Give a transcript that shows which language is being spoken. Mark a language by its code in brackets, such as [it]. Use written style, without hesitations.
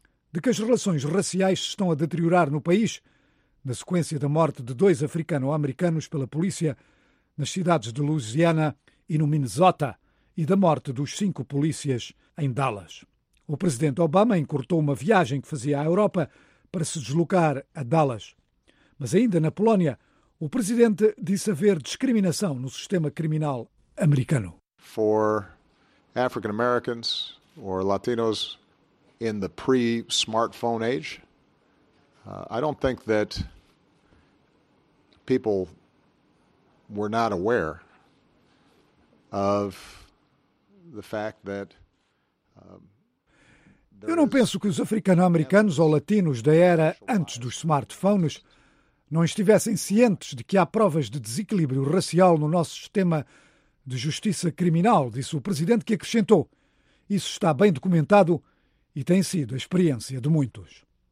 [pt] de que as relações raciais se estão a deteriorar no país, na sequência da morte de 2 africano-americanos pela polícia nas cidades de Louisiana e no Minnesota e da morte dos 5 polícias em Dallas. O presidente Obama encurtou uma viagem que fazia à Europa para se deslocar a Dallas. Mas ainda na Polónia, o presidente disse haver discriminação no sistema criminal americano. [en] For African Americans or Latinos in the pre-smartphone age, I don't think that people were not aware of the fact that [pt] Eu não penso que os africano-americanos ou latinos da era antes dos smartphones não estivessem cientes de que há provas de desequilíbrio racial no nosso sistema de justiça criminal, disse o presidente, que acrescentou. Isso está bem documentado e tem sido a experiência de muitos.